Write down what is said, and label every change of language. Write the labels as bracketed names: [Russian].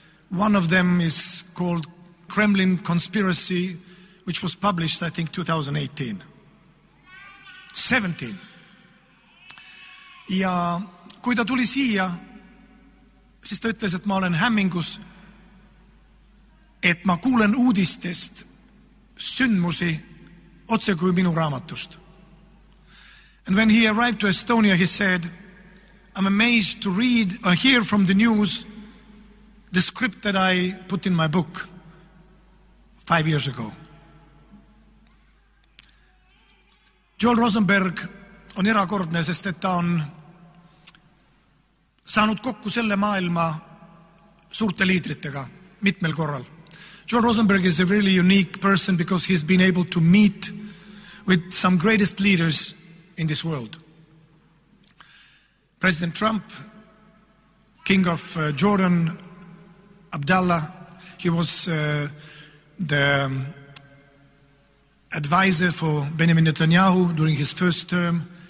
[English] One of them is called Kremlin Conspiracy, which was published, I think, 2017. [Estonian] Ja kui ta tuli siia, siis ta ütles, et ma olen hämmingus, et ma kuulen uudistest sündmusi otse kui minu raamatust. [English] And when he arrived to Estonia, he said, I'm amazed to read or hear from the news the script that I put in my book 5 years ago. [Estonian] Joel Rosenberg on erakordne, sest et ta on saanud kokku selle maailma suurte liidritega mitmel korral. [English] Joel Rosenberg is a really unique person because he's been able to meet with some greatest leaders in this world. President Trump, King of Jordan, Abdullah, he was the advisor for Benjamin Netanyahu during his first term.